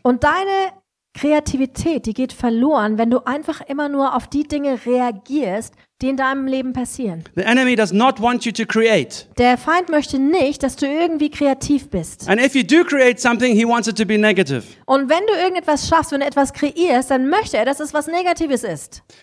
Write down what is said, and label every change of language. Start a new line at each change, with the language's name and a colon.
German: Und deine Kreativität, die geht verloren, wenn du einfach immer nur auf die Dinge reagierst, die in deinem Leben passieren.
English: The enemy does not want you to create.
German: Der Feind möchte nicht, dass du irgendwie kreativ bist.
English: And if you do create something, he wants it to be negative.
German: Und wenn du irgendetwas schaffst, wenn du etwas kreierst, dann möchte er, dass es was Negatives ist.